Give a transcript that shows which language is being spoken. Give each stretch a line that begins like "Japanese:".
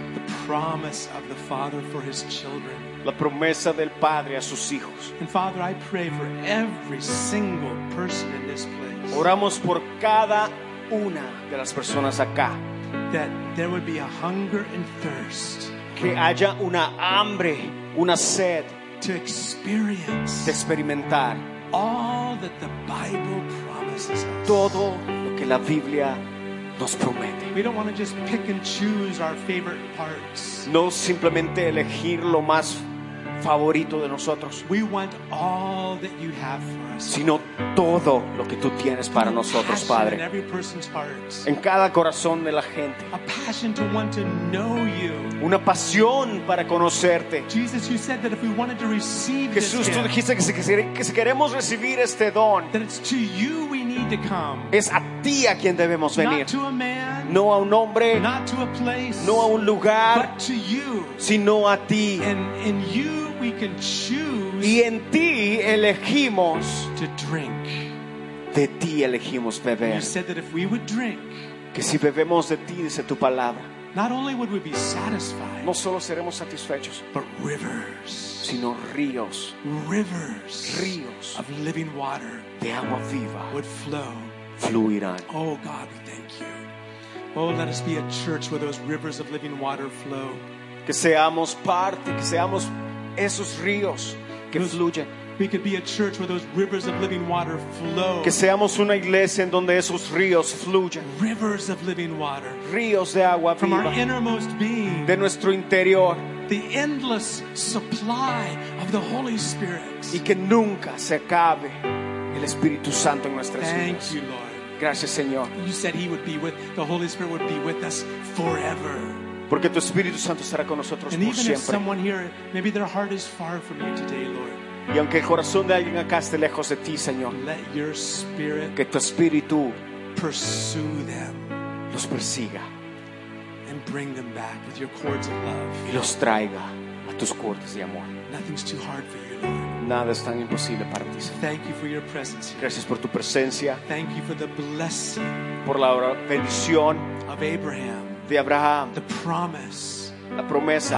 English: The promise of the Father for his children.
Spanish: La promesa del Padre a sus hijos.
English: And Father, I pray for every single person in this place.
Spanish: Oramos por cada una de las personas acá.
English: That there would be a hunger and thirst.
Spanish: Que haya una hambre, una sed.
English: To experience.
Spanish: De experimentar.
English: All that the Bible promises us.
Spanish: Todo lo que la Biblia nos promete.
English: We don't want to just pick and choose our favorite parts.
Spanish: No simplemente elegir lo más favorito de nosotros.
English: We want all that you have for us.
Spanish: Sino todo lo que tú tienes para nosotros, Padre.
English: In every person's heart.
Spanish: En cada corazón de la gente.
English: A passion to want to know you.
Spanish: Una pasión para conocerte.
English: Jesus, you said that if we wanted to receive
Spanish: Jesús,
English: this
Spanish: tú dijiste que si queremos recibir este don,
English: that it's to you we need to come.
Spanish: Es a ti a quien debemos venir.
English: Not to a man,
Spanish: no a un hombre,
English: not to a place,
Spanish: no a un lugar,
English: but to you.
Spanish: Sino a ti.
English: And you we can choose.
Spanish: Y en ti elegimos
English: to drink.
Spanish: De ti elegimos beber.
English: You said that if we would drink,
Spanish: que si bebemos de ti, dice tu palabra,
English: not only would we be satisfied,
Spanish: no solo seremos satisfechos,
English: but rivers,
Spanish: sino ríos,
English: rivers,
Spanish: ríos
English: of living water,
Spanish: de agua viva,
English: would flow,
Spanish: fluirán.
English: Oh God, we thank you. Oh, let us be a church where those rivers of living water flow.
Spanish: Que seamos parte, que seamos esos ríos que fluyen.
English: We could be a church where those rivers of living water flow.
Spanish: Que seamos una iglesia en donde esos ríos fluyan.
English: Rivers of living water.
Spanish: Ríos de agua viva.
English: From our innermost being.
Spanish: De nuestro interior.
English: The endless supply of the Holy Spirit.
Spanish: Y que nunca se acabe el Espíritu Santo en nuestras vidas.
English: Thank you, Lord.
Spanish: Gracias, Señor.
English: You said he would be with, the Holy Spirit would be with us forever.
Spanish: Porque tu Espíritu Santo estará con nosotros
English: and
Spanish: por siempre.
English: And even if someone here, maybe their heart is far from you today, Lord.
Spanish: Y aunque el corazón de alguien acá esté lejos de ti, Señor,
English: let your spirit,
Spanish: que tu espíritu
English: pursue them,
Spanish: los persiga,
English: and bring them back with your cords of love,
Spanish: y los traiga a tus cordas de amor.
English: Nothing's too hard for you, Lord.
Spanish: Nada es tan imposible para ti, Señor.
English: Thank you for your presence.
Spanish: Gracias por tu presencia.
English: Thank you for the blessing,
Spanish: por la bendición
English: of Abraham,
Spanish: de Abraham,
English: the promise,
Spanish: la promesa,